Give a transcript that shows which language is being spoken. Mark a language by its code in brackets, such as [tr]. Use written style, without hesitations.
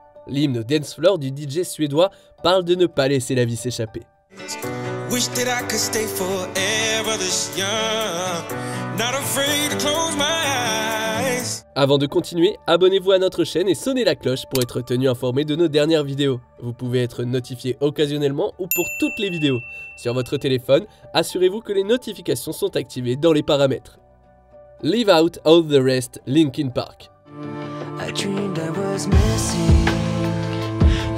[fr] L'hymne dance floor du DJ suédois parle de ne pas laisser la vie s'échapper. [en] Wish that I could stay forever this young. Not afraid to close my eyes. [fr] Avant de continuer, abonnez-vous à notre chaîne et sonnez la cloche pour être tenu informé de nos dernières vidéos. Vous pouvez être notifié occasionnellement ou pour toutes les vidéos. Sur votre téléphone, assurez-vous que les notifications sont activées dans les paramètres. [en] Leave Out All The Rest, Linkin Park. I dreamed I was missing.